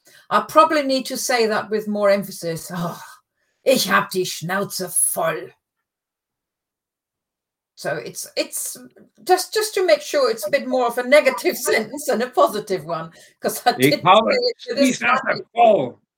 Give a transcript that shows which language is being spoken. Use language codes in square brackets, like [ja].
[en] I probably need to say that with more emphasis. [de] Oh, ich hab die Schnauze voll. [en] So it's just to make sure it's a bit more of a negative sentence than a positive one, because I didn't [de] ich habe [en] say it to this [de] die Schnauze voll.